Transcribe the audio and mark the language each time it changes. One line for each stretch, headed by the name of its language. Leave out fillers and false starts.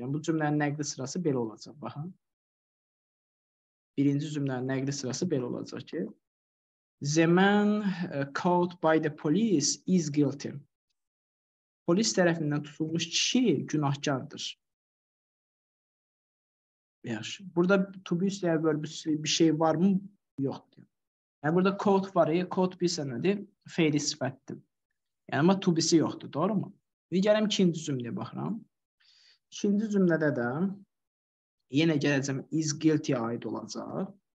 Azerbaijani: Yəni bu cümlənin nəqli sırası belə olacaq, baxın. Birinci cümlənin nəqli sırası belə olacaq ki,
English: the man caught by the police is guilty.
Azerbaijani: Polis tərəfindən tutulmuş kişi günahkardır. Yaxşı. Burada to be üstləyə verbüsü bir şey var mı? Yoxdur. Yəni burada caught var, ya caught bilsə nədir? Feili sifətdir. Yəni, amma tubisi yoxdur, doğru mu? Bir gələm ikinci cümləyə baxıram. İkinci cümlədə də yenə gələcəm
English: is guilty
Azerbaijani: aid olacaq.